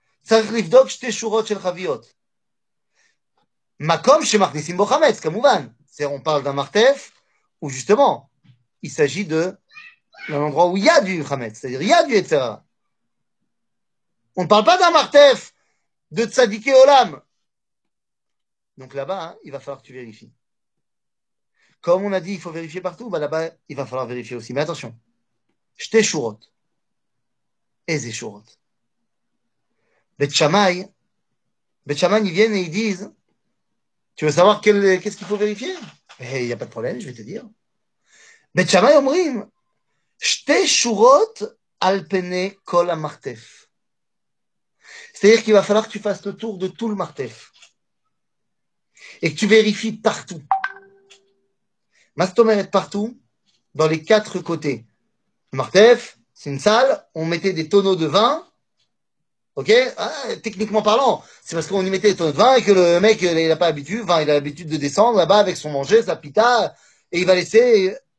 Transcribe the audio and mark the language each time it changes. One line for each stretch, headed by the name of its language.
Hebrew: צריך לבדוק שתי שורות של חביות. מקום שמכניסים בו חמץ, כמובן.
French: זה on parle d'un מרתף, ו-justement, il s'agit de l'endroit où il y a du חמץ, c'est-à-dire il y a du etc. On ne parle pas d'un מרתף de
Hebrew: tzadiké olam.
French: Donc là-bas, hein, il va falloir que tu vérifies. Comme on a dit, il faut vérifier partout, bah là-bas, il va falloir vérifier aussi. Mais attention,
Hebrew: שתי שורות. איזה שורות?
French: בית שמאי, ils viennent et ils disent, tu veux savoir qu'est-ce qu'il faut vérifier? Eh, il n'y a pas de problème, je vais te dire.
Hebrew: בית שמאי אומרים, שתי שורות על פני כל המרתף.
French: C'est-à-dire qu'il va falloir que tu fasses le tour de tout le מרתף. Et que tu vérifies partout. Mastomer est partout, dans les quatre côtés. Le מרתף, c'est une salle, on mettait des tonneaux de vin. Ok, ah, techniquement parlant, c'est parce qu'on y mettait des tonneaux de vin et que le mec, il n'a pas l'habitude, enfin, il a l'habitude de descendre là-bas avec son manger, sa pita, et il va laisser.